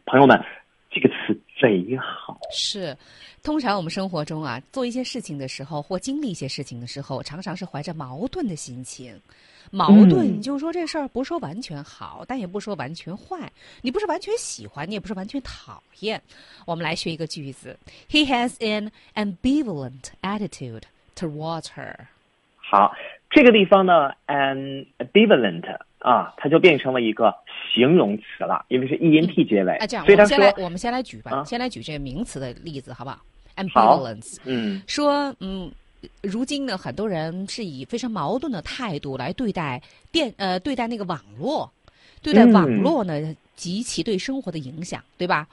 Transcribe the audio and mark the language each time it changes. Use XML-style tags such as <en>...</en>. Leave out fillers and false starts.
<zh>朋友们，这个词贼好。是，通常我们生活中啊，做一些事情的时候或经历一些事情的时候，常常是怀着矛盾的心情。矛盾，你就说这事儿不说完全好，但也不说完全坏。你不是完全喜欢，你也不是完全讨厌。我们来学一个句子</zh> <en>：He has an ambivalent attitude towards her。</en> <zh>好，这个地方呢 ，ambivalent 啊，它就变成了一个形容词了，因为是 ent 结尾。啊，这样，我们先来举吧，先来举这个名词的例子，好不好 ？ambivalence， 说如今呢，很多人是以非常矛盾的态度来对待对待那个网络，对待网络呢及其对生活的影响，对吧？</zh>